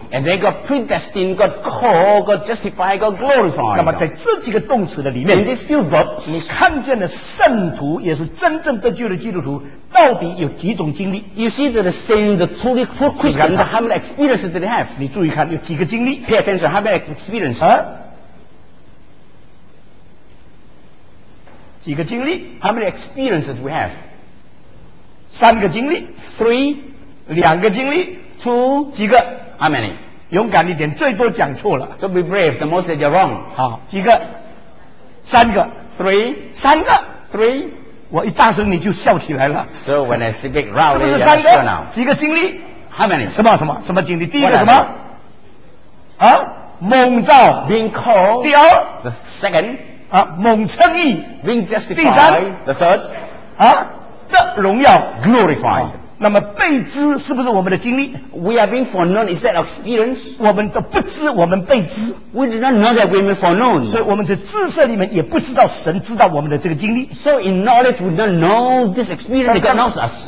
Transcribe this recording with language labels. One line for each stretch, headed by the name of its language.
English: And they got predestined, got called, got justified, got glorified.
Chinese: 那么在这几个动词的里面，
English: In these few verbs,
Chinese: 你看见的圣徒，也是真正得救的基督徒，到底有几种经历？
English: You see that the saints, the truly true Christians, how many experiences did they have?
Chinese: 你注意看，有几个经历？
English: Pay attention, how many experiences?
Chinese: 几个经历？
English: How many experiences we have?
Chinese: 三个经历？
English: Three.
Chinese: 两个经历？出几个？
English: How many?
Chinese: 勇敢一点，最多讲错了。
English: So be brave. The most that you're wrong.
Chinese: 好，几个？三个。
English: Three.
Chinese: 三个。
English: Three.
Chinese: 我一大声你就笑起来了。
English: So when I speak loudly,
Chinese: 是不是三个？几个经历？
English: How many?
Chinese: 什么经历？第一个什么？
English: What?
Chinese: 蒙召。
English: Being called.
Chinese: 第二。
English: The second.
Chinese: 蒙称义。
English: Being justified.
Chinese: 第三。
English: The third.
Chinese: 的荣耀。
English: Glorified.
Chinese: 那么被知是不是我们的经历？
English: We are being foreknown, is that experience?
Chinese: 我们都不知我们被知。
English: We do not know that we are being foreknown.
Chinese: 所以我们在知识里面也不知道神知道我们的这个经历。
English: So in knowledge we don't know this experience that God knows us.